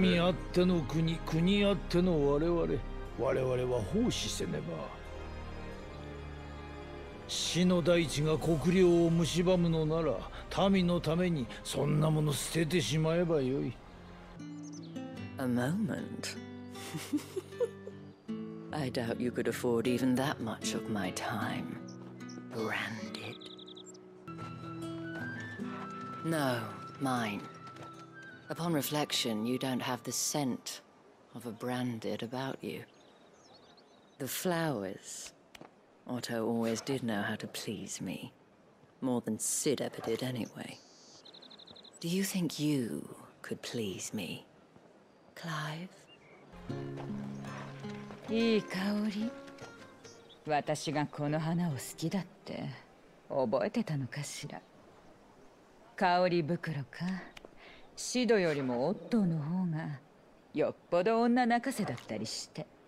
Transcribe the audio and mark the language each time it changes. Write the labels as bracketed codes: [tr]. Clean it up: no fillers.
[ja] 民あっての国、国あっての我々、我々は奉仕せねば。死の大地が国領を蝕むのなら、民のためにそんなもの捨ててしまえばよい。 [en] A moment. I doubt you could afford even that much of my time. Branded. No, mine. Upon reflection, you don't have the scent of a branded about you. The flowers. Otto always did know how to please me. More than Sid ever did anyway. Do you think you could please me, Clive? [ja] いい香り。私がこの花を好きだって覚えてたのかしら。香り袋か。シドよりもオットーの方がよっぽど女泣かせだったりして。